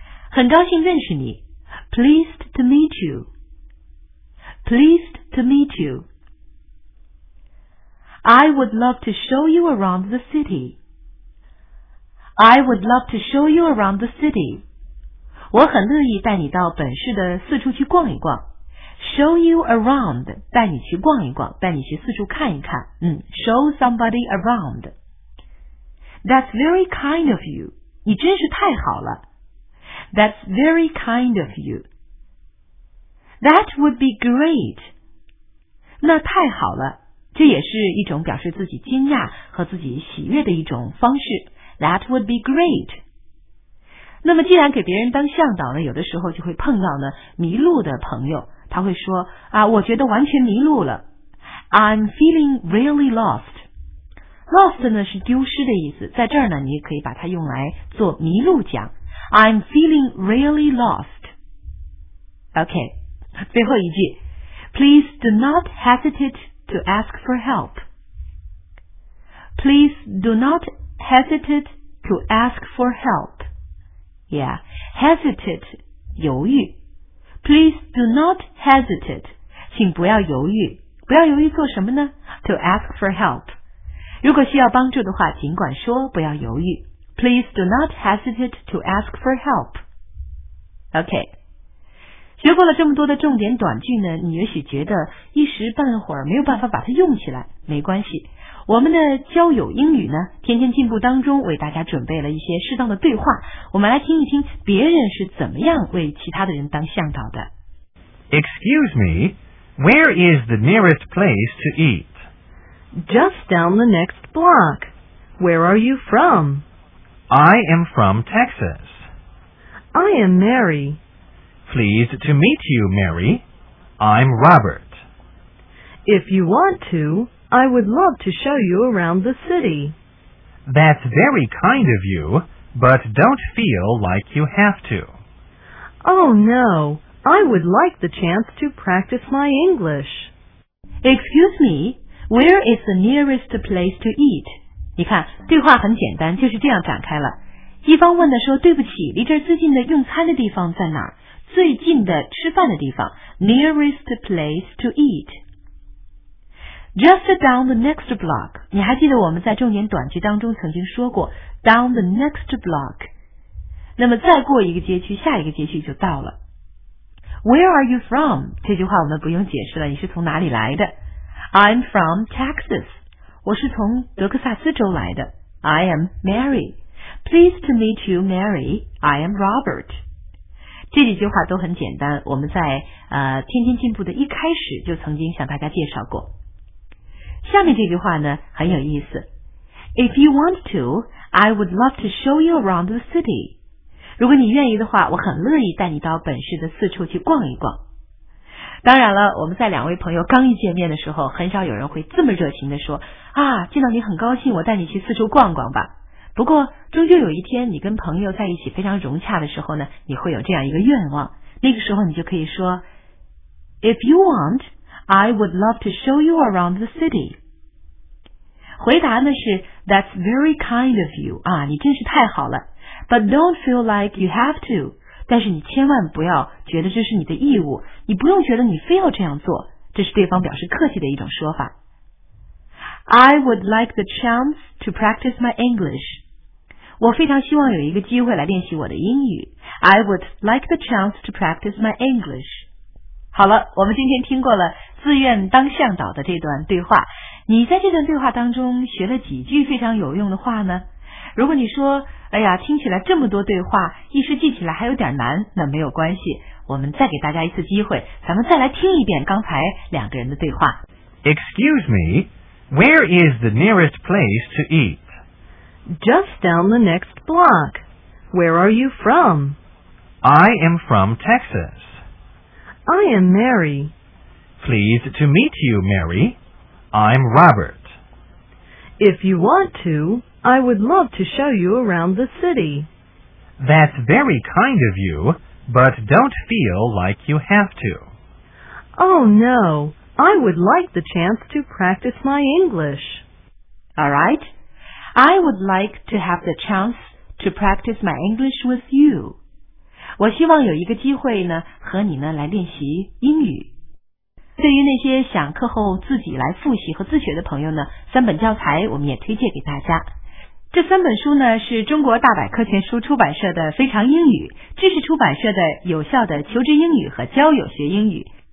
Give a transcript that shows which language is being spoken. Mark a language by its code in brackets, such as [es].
[zh] 很高兴认识你， [en] pleased to meet you, pleased to meet you. I would love to show you around the city, I would love to show you around the city. [zh] 我很乐意带你到本市的四处去逛一逛。 [en] Show you around, [zh] 带你去逛一逛，带你去四处看一看。 [en] 嗯， show somebody around. That's very kind of you. [zh] 你真是太好了。 [en] That's very kind of you. That would be great. [zh] 那太好了，这也是一种表示自己惊讶和自己喜悦的一种方式。 [en] That would be great. [zh] 那么既然给别人当向导呢，有的时候就会碰到呢迷路的朋友，他会说啊，我觉得完全迷路了。 [en] I'm feeling really lost. [zh] Lost 呢是丢失的意思，在这儿呢你也可以把它用来做迷路讲。 [en] I'm feeling really lost. OK, [zh] 最后一句， [en] Please do not hesitate to ask for help. Please do not hesitate to ask for help. Yeah, hesitate, 犹豫。Please do not hesitate, [zh] 请不要犹豫。不要犹豫做什么呢？ [en] To ask for help. [zh] 如果需要帮助的话，尽管说，不要犹豫。 [en] Please do not hesitate to ask for help. OK. [zh] 学过了这么多的重点短句呢，你也许觉得一时半会儿没有办法把它用起来，没关系。我们的交友英语呢，天天进步当中为大家准备了一些适当的对话，我们来听一听别人是怎么样为其他的人当向导的。 [en] Excuse me, where is the nearest place to eat? Just down the next block. Where are you from? I am from Texas. I am Mary. Pleased to meet you, Mary. I'm Robert. If you want to... I would love to show you around the city. That's very kind of you, but don't feel like you have to. Oh no, I would like the chance to practice my English. Excuse me, where is the nearest place to eat? [zh] 你看，对话很简单，就是这样展开了。一方问的说，对不起，离这儿最近的用餐的地方在哪儿？最近的吃饭的地方， [en] nearest place to eat. Just down the next block. [zh] 你还记得我们在重点短句当中曾经说过 [en] down the next block. [zh] 那么再过一个街区，下一个街区就到了。 [en] Where are you from? [zh] 这句话我们不用解释了，你是从哪里来的？ [en] I'm from Texas. [zh] 我是从德克萨斯州来的。 [en] I am Mary. Pleased to meet you, Mary. I am Robert. [zh] 这几句话都很简单，我们在天天进步的一开始就曾经向大家介绍过。下面这句话呢很有意思， [en] If you want to, I would love to show you around the city. [zh] 如果你愿意的话，我很乐意带你到本市的四处去逛一逛。当然了，我们在两位朋友刚一见面的时候，很少有人会这么热情的说啊，见到你很高兴，我带你去四处逛逛吧。不过终究有一天你跟朋友在一起非常融洽的时候呢，你会有这样一个愿望，那个时候你就可以说 [en] If you want,I would love to show you around the city. [zh] 回答呢是 [en] That's very kind of you. [zh] 啊，你真是太好了。 [en] But don't feel like you have to. [zh] 但是你千万不要觉得这是你的义务，你不用觉得你非要这样做。这是对方表示客气的一种说法。 [en] I would like the chance to practice my English. [zh] 我非常希望有一个机会来练习我的英语。 [en] I would like the chance to practice my English. [zh] 好了，我们今天听过了自愿当向导的这段对话。你在这段对话当中学了几句非常有用的话呢？如果你说，哎呀，听起来这么多对话，一时记起来还有点难，那没有关系，我们再给大家一次机会，咱们再来听一遍刚才两个人的对话。 [en] Excuse me, where is the nearest place to eat? Just down the next block. Where are you from? I am from Texas. I am Mary. Pleased to meet you, Mary. I'm Robert. If you want to, I would love to show you around the city. That's very kind of you, but don't feel like you have to. Oh, no. I would like the chance to practice my English. All right. I would like to have the chance to practice my English with you. [zh] 我希望有一个机会呢，和你呢来练习英语。对于那些想课后自己来复习和自学的朋友呢，三本教材我们也推荐给大家。这三本书呢，是中国大百科全书出版社的《非常英语》，知识出版社的《有效的求职英语》和《交友学英语》。